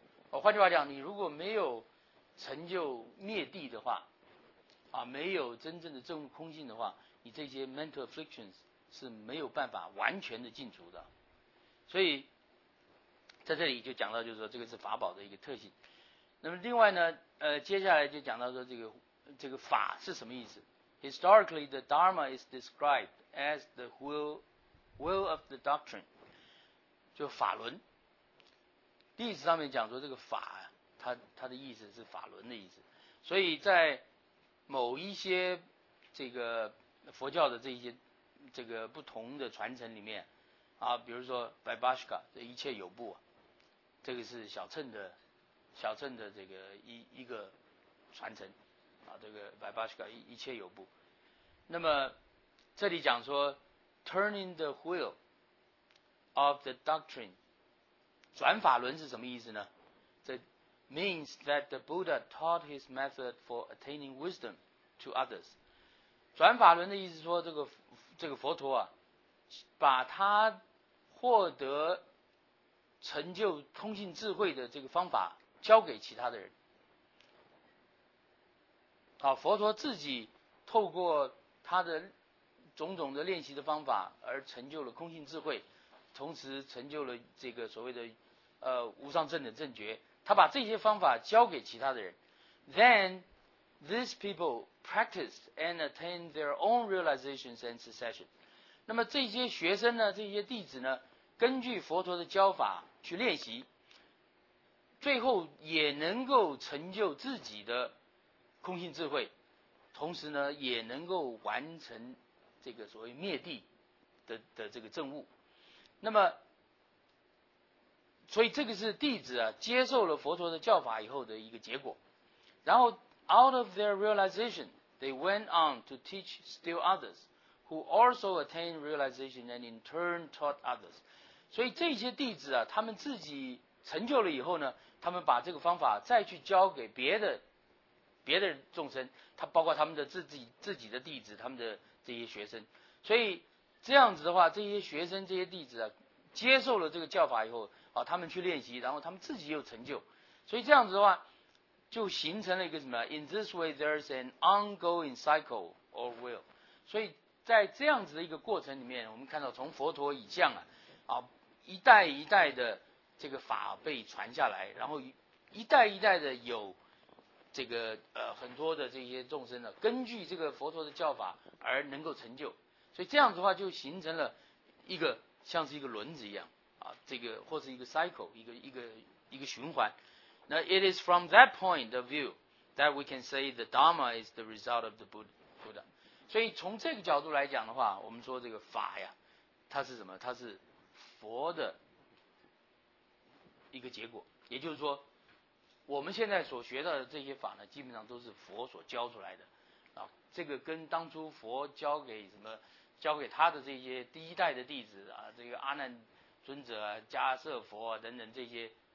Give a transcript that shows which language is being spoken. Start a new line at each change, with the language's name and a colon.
Chinese: 换句话讲，你如果没有成就灭谛的话啊，没有真正的证悟空性的话，你这些
English: mental afflictions
Chinese: 是没有办法完全的净除的。所以在这里就讲到，就是说这个是法宝的一个特性。那么另外呢接下来就讲到说这个法是什么意思。
English: Historically the Dharma is described as the will of the doctrine，
Chinese: 就法轮。历史上面讲说这个法啊，他的意思是法轮的意思。所以在某一些这个佛教的这些这个不同的传承里面啊，比如说 Vaibhashika 这一切有部，这个是小乘的这个一个传承啊，这个 Vaibhashika 一切有部。那么这里讲说
English: turning the wheel of the doctrine，
Chinese: 转法轮是什么意思呢？
English: means that the Buddha taught his method for attaining wisdom to others。
Chinese: 转法轮的意思说这个佛陀啊，把他获得成就空性智慧的这个方法交给其他的人。好，佛陀自己透过他的种种的练习的方法而成就了空性智慧，同时成就了这个所谓的无上正等正觉，他把这些方法交给其他的人。
English: Then these people practiced and attained their own realizations and cessation。
Chinese: 那么这些学生呢，这些弟子呢，根据佛陀的教法去练习，最后也能够成就自己的空性智慧，同时呢也能够完成这个所谓灭谛的这个证悟。那么所以这个是弟子啊接受了佛陀的教法以后的一个结果。然后
English: out of their realization they went on to teach still others who also attained realization and in turn taught others。
Chinese: 所以这些弟子啊，他们自己成就了以后呢，他们把这个方法再去教给别的别的众生，他包括他们的自己的弟子，他们的这些学生。所以这样子的话，这些学生这些弟子啊，接受了这个教法以后啊，他们去练习，然后他们自己又成就。所以这样子的话，就形成了一个什么
English: ？In this way, there's an ongoing cycle or will。
Chinese: 所以在这样子的一个过程里面，我们看到从佛陀以降啊，啊一代一代的这个法被传下来，然后一代一代的有这个很多的这些众生呢，根据这个佛陀的教法而能够成就。所以这样子的话，就形成了一个像是一个轮子一样啊，这个或是一个 cycle， 一个循环。
English: Now it is from that point of view that we can say the Dharma is the result of the Buddha.
Chinese: 所以从这个角度来讲的话，我们说这个法呀，它是什么？它是佛的一个结果。也就是说，我们现在所学到的这些法呢，基本上都是佛所教出来的。啊，这个跟当初佛教给什么，教给他的这些第一代的弟子啊，这个阿难尊者啊、迦叶佛啊等等这些。